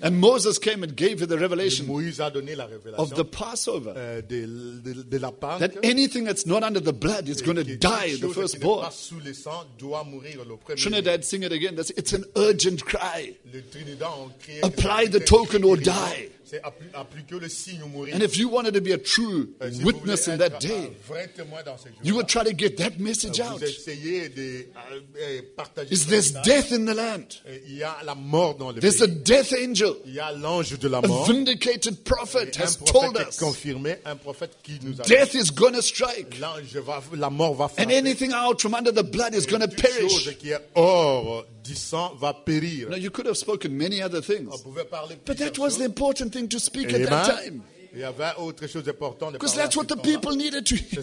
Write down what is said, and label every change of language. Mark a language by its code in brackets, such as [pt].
[en] and Moses came and gave you the revelation, [fr] Moïse a donné la révélation [en] of the Passover, [fr] de la Pâque, [en] that anything that's not under the blood is going to die, the firstborn. [fr] Pas sous le sang doit mourir le premier. [en] Trinidad, sing it again. That's, it's an urgent cry. [fr] Le Trinidad ont crié, [en] apply the token or die. [fr] C'est appliquer le signe ou mourir. [en] And if you wanted to be a true witness in that day, you would try to get that message [fr] vous [en] out. [fr] Essayez de partager. [en] Is there death in the land? [fr] Il y a la mort dans le [en] there's [fr] pays. [en] A death angel. [fr] Il y a l'ange de la mort. [en] A vindicated prophet [fr] un [en] has told us. [fr] Confirmé, un prophète qui nous a [en] death dit. Is going to strike. [fr] L'ange va, la mort va frapper. [en] And anything out from under the blood is going to perish. [fr] Chose qui est hors du sang va périr. [en] Now you could have spoken many other things. [fr] On pouvait parler [en] but that was the important thing. To speak at that time. [fr] Il y avait autre chose importante de [en] Because that's what the people needed to hear.